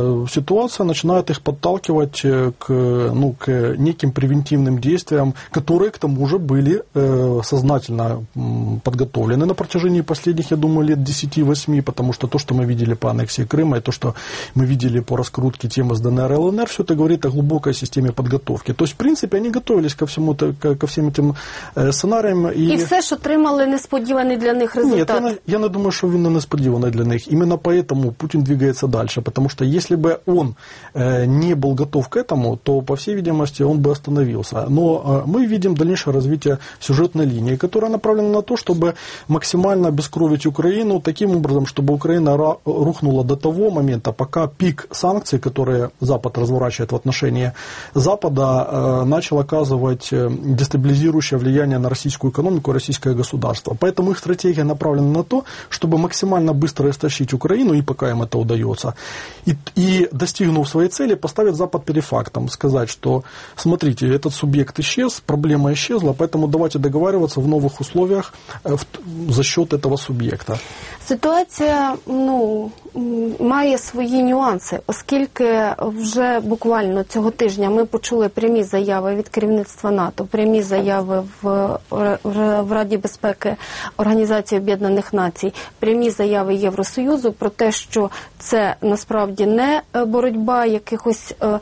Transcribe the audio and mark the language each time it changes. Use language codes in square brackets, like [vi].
[ru] ситуация начинает их подталкивать к неким превентивным действиям, которые, к тому же, были сознательно подготовлены на протяжении последних, я думаю, лет 10-8, потому что то, что мы видели по аннексии Крыма, и то, что мы видели по раскрутке темы с ДНР и ЛНР, все это говорит о глубокой системе подготовки. То есть, в принципе, они готовились ко всему, ко всем этим сценариям. И все, что [uk] тримали несподіваний для них результат. [ru] Нет, я не думаю, что [uk] він несподіваний [ru] для них. Именно поэтому Путин двигается дальше, потому что если бы он не был готов к этому, то, по всей видимости, он бы остановился. Но мы видим дальнейшее развитие сюжетной линии, которая направлена на то, чтобы максимально обескровить Украину таким образом, чтобы Украина рухнула до того момента, пока пик санкций, которые Запад разворачивает в отношении Запада, начал оказывать дестабилизирующее влияние на российскую экономику, российское государство. Поэтому их стратегия направлена на то, чтобы максимально быстро истощить Украину, и пока им это удается, и достигнув своей цели, поставить Запад перед фактом, сказать, что смотрите, этот субъект исчез, проблема исчезла, поэтому давайте договариваться в новых условиях за счет этого субъекта. [uk] Ситуація, ну, має свої нюанси, оскільки вже буквально цього тижня ми почули прямі заяви від керівництва НАТО, прямі заяви в Раді безпеки Організації Об'єднаних Націй, прямі заяви Євросоюзу про те, що це насправді не боротьба якихось